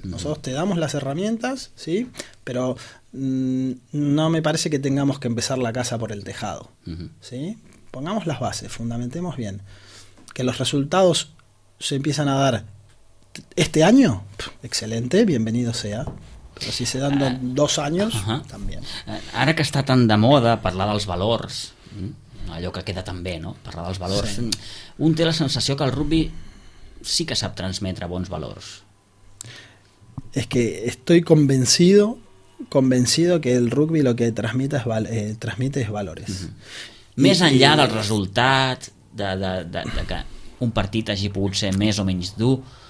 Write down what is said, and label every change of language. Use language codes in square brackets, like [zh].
[es] Nosotros te damos las herramientas, ¿sí? Pero no me parece que tengamos que empezar la casa por el tejado, ¿sí? Pongamos las bases, fundamentemos bien. Que los resultados se empiezan a dar este año, excelente, bienvenido sea. [ca] Però si [es] se dan [ca] dos anys, també. Ara que està tan de moda parlar dels valors, allò que queda tan bé, no? Parlar dels valors. Sí. Un té la sensació que el rugby sí que sap transmetre bons valors. [es] És es que estoy convencido, convencido que el rugby lo que transmite es, transmite es valores. [ca] Més enllà del resultat, de que un partit hagi pogut ser més o menys dur...